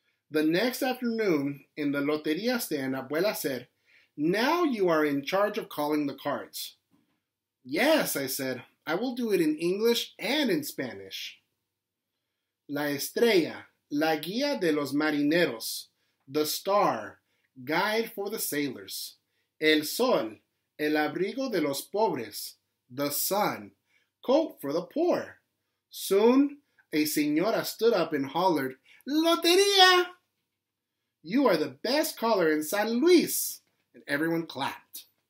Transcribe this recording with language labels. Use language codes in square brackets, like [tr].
[en] The next afternoon, in the Loteria stand, Abuela said, Now you are in charge of calling the cards. Yes, I said. I will do it in English and in Spanish. [es] La estrella, la guía de los marineros. [en] The star, guide for the sailors. [es] El sol, el abrigo de los pobres. [en] The sun, coat for the poor. Soon, a señora stood up and hollered, Loteria! You are the best caller in San Luis! And everyone clapped.